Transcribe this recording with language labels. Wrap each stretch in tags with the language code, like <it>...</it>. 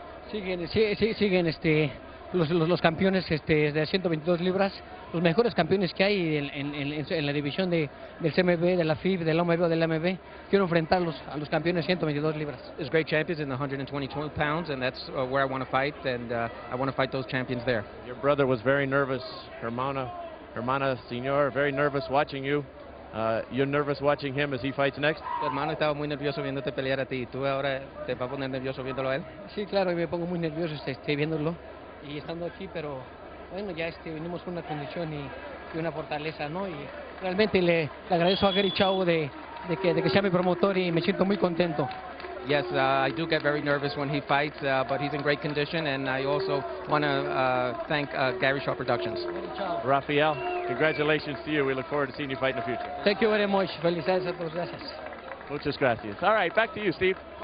<es>Siguen este los campeones este de 122 libras, los mejores campeones que hay en la división del CMB, de la FIB, del OMB, del MB. Quiero enfrentarlos a los campeones de 122 libras.</es> <en>There's great champions in the 122 pounds, and that's where I want to fight, and I want to fight those champions there. Your brother was very nervous, Hermana Senor, very nervous watching you. You're nervous watching him as he fights next?</en> <es>Tu hermano estaba muy nervioso viéndote pelear a ti. ¿Tú ahora te vas a poner nervioso viéndolo a él? Sí, claro, me pongo muy nervioso viéndolo y estando aquí, pero bueno, ya vinimos con una condición y una fortaleza, ¿no? Y realmente le agradezco a Gary Chau de que sea mi promotor y me siento muy contento.</es> <en>Yes, I do get very nervous when he fights, but he's in great condition, and I also want to thank Gary Shaw Productions. Rafael, congratulations to you. We look forward to seeing you fight in the future. Thank you very much. Felicidades a todos. Gracias. Muchas gracias. All right, back to you, Steve.</en>